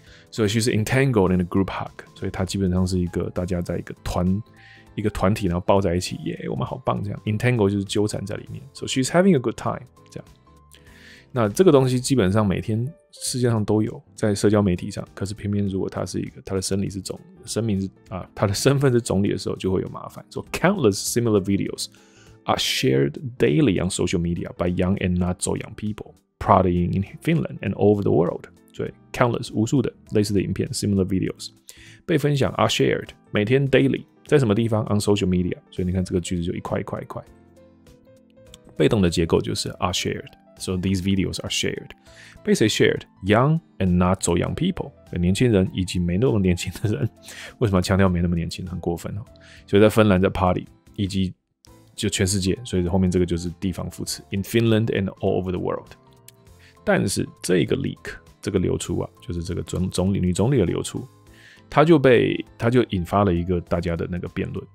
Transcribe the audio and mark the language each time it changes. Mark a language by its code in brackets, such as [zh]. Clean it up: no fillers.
[zh] 所以 [en] she's entangled in a group hug， [zh] 所以他基本上是一个大家在一个团体，然后抱在一起，耶，我们好棒，这样。 entangled 就是纠缠在里面 ， [en] so she's having a good time， [zh] 这样。那这个东西基本上每天世界上都有，在社交媒体上。可是偏偏如果他是一个，他的生理是总，生命是啊，他的身份是总理的时候，就会有麻烦。 [en] So countless similar videos are shared daily on social media by young and not so young people partying in Finland and over the world. [zh] 所以 [en] countless [zh] 无数的类似的影片 [en] similar videos [zh] 被分享 [en] are shared [zh] 每天 [en] daily [zh] 在什么地方 [en] on social media. [zh] 所以你看这个句子就一块一块一块，被动的结构就是 [en] are shared. So these videos are shared. Basically shared young and not so young people. [zh] 年轻人以及没那么年轻的人。为什么强调没那么年轻，很过分、哦。所以在芬兰在 party, 以及就全世界，所以后面这个就是地方副词 , [en] in Finland and all over the world. [zh] 但是这个 leak, 这个流出啊，就是这个总理女总理的流出，他就引发了一个大家的那个辩论。